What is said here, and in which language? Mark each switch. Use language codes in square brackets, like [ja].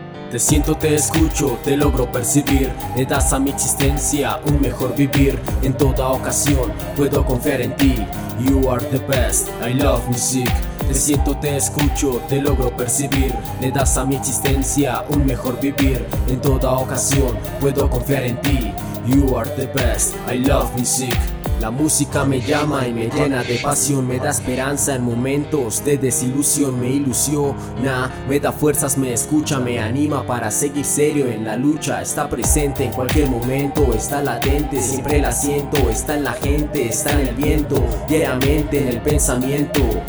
[es] Te siento, te escucho, te logro percibir. Le das a mi existencia un mejor vivir. En toda ocasión puedo confiar en ti. [en] You are the best, I love music. [es] Te siento, te escucho, te logro percibir. Le das a mi existencia un mejor vivir. En toda ocasión puedo confiar en ti. [en] You are the best, I love music. [es] La música me llama y me llena de pasión. Me da esperanza en momentos de desilusión. Me ilusiona, me da fuerzas, me escucha, me anima para seguir serio en la lucha. Está presente en cualquier momento, está latente. Siempre la siento, está en la gente, está en el viento, diariamente en el pensamiento.